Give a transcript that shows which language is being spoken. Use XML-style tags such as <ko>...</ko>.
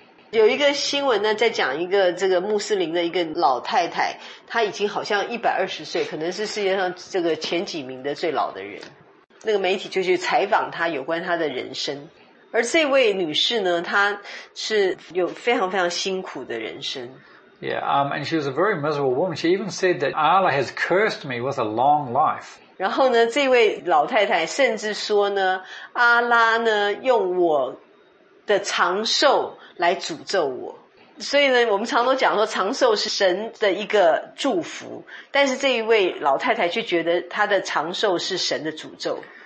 <zh>有一个新闻呢，在讲一个这个穆斯林的一个老太太，她已经好像120岁，可能是世界上这个前几名的最老的人。那个媒体就去采访她有关她的人生，而这位女士呢，她是有非常非常辛苦的人生。</zh> <en>Yeah, and she was a very miserable woman. She even said that Allah has cursed me with a long life.</en> <zh>然后呢，这位老太太甚至说呢，阿拉呢用我的长寿来诅咒我。所以呢，我们常都讲说长寿是神的一个祝福，但是这一位老太太却觉得她的长寿是神的诅咒，</zh>